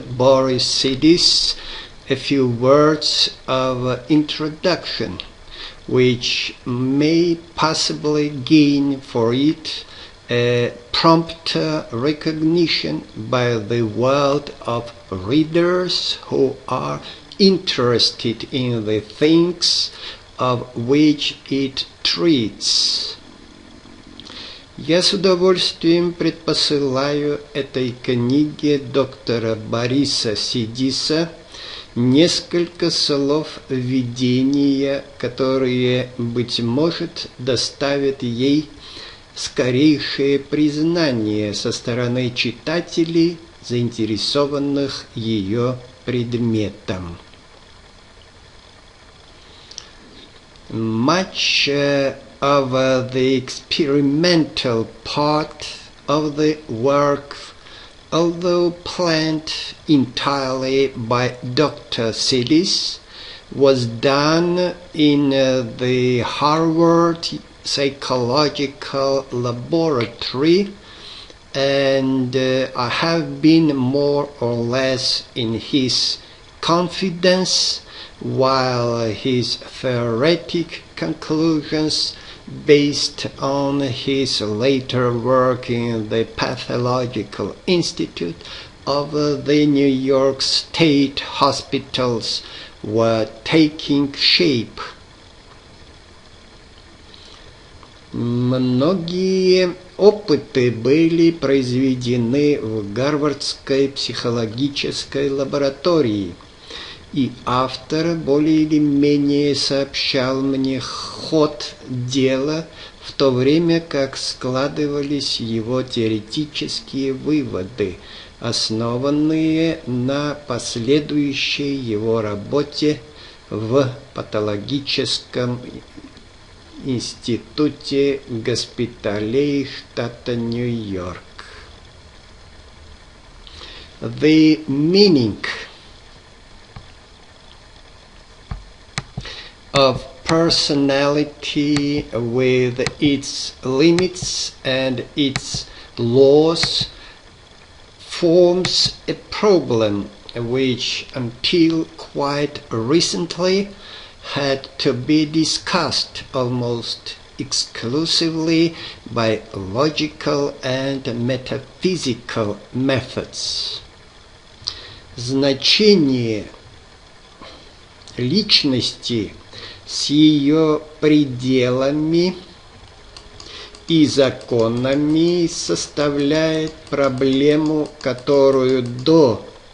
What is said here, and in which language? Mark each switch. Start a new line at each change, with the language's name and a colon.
English: Boris Sidis a few words of introduction, which may possibly gain for it a prompter recognition by the world of readers who are interested in the things of which it treats.
Russian: Я с удовольствием предпосылаю этой книге доктора Бориса Сидиса несколько слов введения, которые, быть может, доставят ей скорейшее признание со стороны читателей, заинтересованных ее предметом.
English: Much of the experimental part of the work, although planned entirely by Dr. Sidis, was done in the Harvard Psychological Laboratory, and I have been more or less in his confidence while his theoretic conclusions based on his later work in the Pathological Institute of the New York State Hospitals were taking shape.
Russian: Многие опыты были произведены в Гарвардской психологической лаборатории, и автор более или менее сообщал мне ход дела в то время, как складывались его теоретические выводы, основанные на последующей его работе в патологическом институте госпиталей штата Нью-Йорк.
English: The meaning of personality with its limits and its laws forms a problem which until quite recently had to be discussed almost exclusively by logical and metaphysical methods.
Russian: Значение личности с ее пределами и законами составляет проблему, которую до